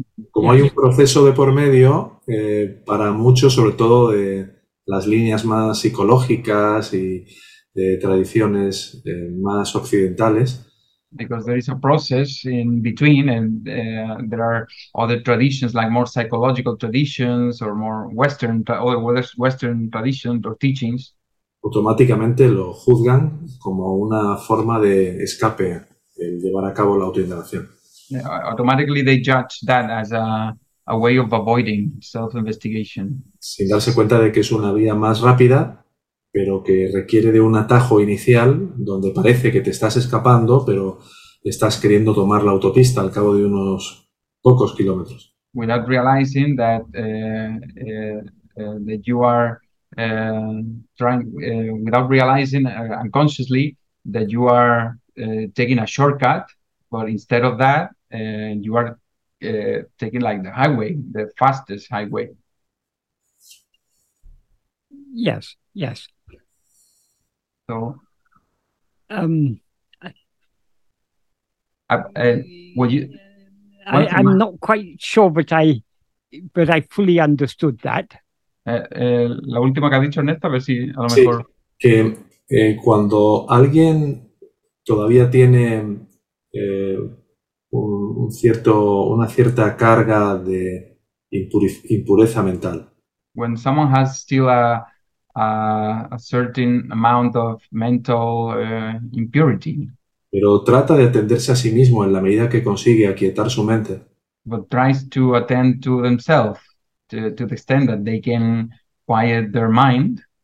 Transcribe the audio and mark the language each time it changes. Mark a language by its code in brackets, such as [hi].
[es] Como hay un proceso de por medio, para muchos, sobre todo de las líneas más psicológicas y de tradiciones más occidentales. [en] Because there is a process in between, and there are other traditions, like more psychological traditions or more Western, or Western traditions or teachings. [es] Automáticamente lo juzgan como una forma de escape, el llevar a cabo la autoindagación. [en] Automatically, they judge that as a way of avoiding self-investigation. [es] Sin darse cuenta de que es una vía más rápida, pero que requiere de un atajo inicial donde parece que te estás escapando, pero estás queriendo tomar la autopista al cabo de unos pocos kilómetros. [en] Without realizing that that you are trying, without realizing unconsciously that you are taking a shortcut, but instead of that, you are taking like the highway, the fastest highway. Yes. So, would you? One thing. I'm not quite sure, but I fully understood that. [es] La última que ha dicho Ernesto, a ver si a lo Sí, mejor. que cuando alguien todavía tiene un cierto, una cierta carga de impureza mental. [en] When someone has still a certain amount of mental impurity, [es] Pero trata de atenderse a sí mismo en la medida que consigue aquietar su mente. [en] but tries to attend to themselves to the extent that they can quiet their mind.